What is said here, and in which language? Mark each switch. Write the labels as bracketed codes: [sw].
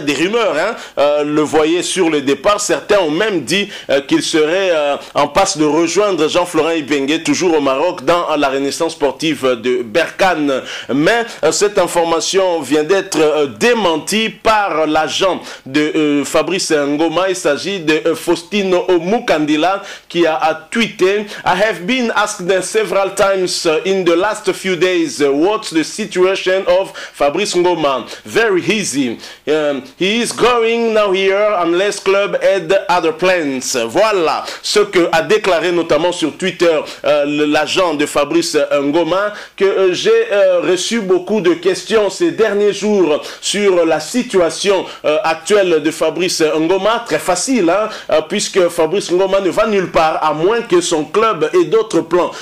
[fr] Des rumeurs hein, le voyaient sur le départ. Certains ont même dit qu'il serait en passe de rejoindre Jean-Florent Ibenge, toujours au Maroc, dans la Renaissance sportive de Berkane. Mais cette information vient d'être démentie par l'agent de Fabrice Ngoma. Il s'agit de [en] Faustino Omukandila [fr] qui a tweeté: [en] I have been asked several times in the last few days what's the situation of Fabrice Ngoma. Very easy. He is going now here unless club had other plans. [fr] Voilà ce que a déclaré notamment sur Twitter l'agent de Fabrice Ngoma, que j'ai reçu beaucoup de questions ces derniers jours sur la situation actuelle de Fabrice Ngoma. Très facile, hein, puisque Fabrice Ngoma ne va nulle part à moins que son club ait d'autres plans.